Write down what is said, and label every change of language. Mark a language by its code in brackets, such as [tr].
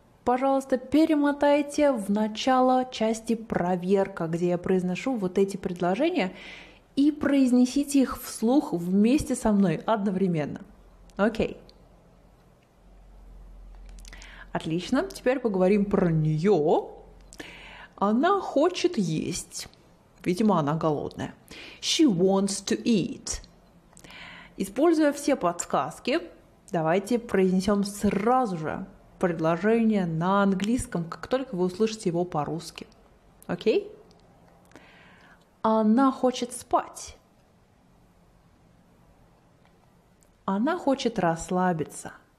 [ru] Пожалуйста, перемотайте в начало части проверка, где я произношу вот эти предложения, и произнесите их вслух вместе со мной одновременно. Окей. Отлично, теперь поговорим про нее. Она хочет есть. Видимо, она голодная. [en] She wants to eat. [ru] Используя все подсказки, Давайте произнесем сразу же предложение на английском, как только вы услышите его по-русски. Окей? Она хочет спать. Она хочет расслабиться.